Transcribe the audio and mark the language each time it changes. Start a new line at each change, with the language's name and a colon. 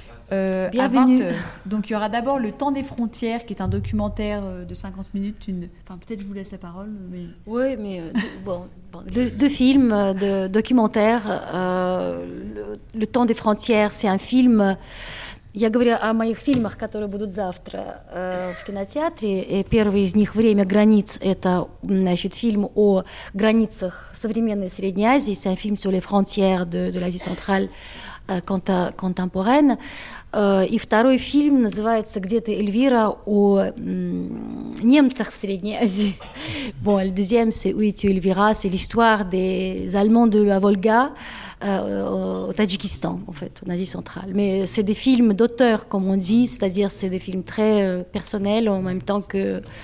French: Bienvenue. Donc il y aura d'abord Le Temps des Frontières, qui est un documentaire de 50 minutes. Enfin, peut-être je vous laisse la parole. Mais... Oui, mais deux films, deux documentaires. Le Temps des Frontières, c'est un film.
Russian: Я говорю о моих фильмах, которые будут завтра в кинотеатре. И первый из них «Время границ» — это, значит, фильм о границах современной Средней Азии.
French: C'est un film sur les frontières de l'Asie centrale contemporaine.
Russian: И второй фильм называется «Где ты, Эльвира?» о немцах в Средней Азии.
French: Bon, le deuxième, c'est «Où es-tu, Эльвира?» C'est l'histoire des Allemands de la Volga. Au Tadjikistan, en fait, en Asie centrale. Mais c'est des films d'auteur, comme on dit, c'est-à-dire c'est des films très personnels, en même temps que